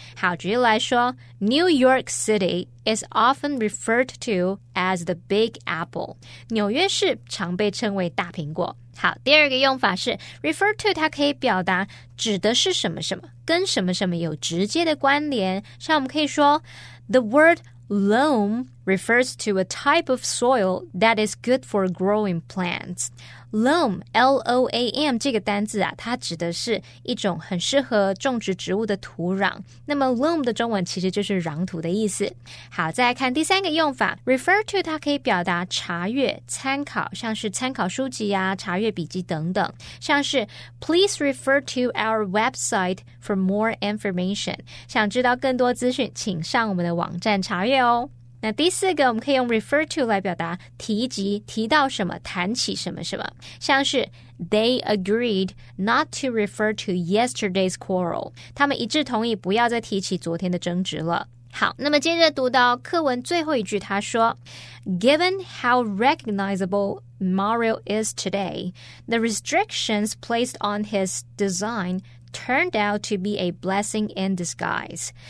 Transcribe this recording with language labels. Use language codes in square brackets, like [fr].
[zh] 好，举例来说 [en] ，New York City is often referred to as the Big Apple。 [zh] 纽约市常被称为大苹果。好，第二个用法是 refer to， 它可以表达指的是什么什么，跟什么什么有直接的关联。像我们可以说 [en] the word loam refers to a type of soil that is good for growing plants. [zh] Loam, L-O-A-M, 这个单字啊，它指的是一种很适合种植植物的土壤。那么 loam 的中文其实就是壤土的意思。好，再来看第三个用法， refer to 它可以表达查阅、参考，像是参考书籍啊、查阅笔记等等。像是 [en] please refer to our website for more information. [zh] 想知道更多资讯，请上我们的网站查阅哦。那第四个我们可以用 refer to 来表达提及提到什么谈起什么什么像是 [en] they agreed not to refer to yesterday's quarrel [zh] 他们一致同意不要再提起昨天的争执了好那么接着读到课文最后一句他说 [en] given how recognizable Mario is today the restrictions placed on his design turned out to be a blessing in disguise.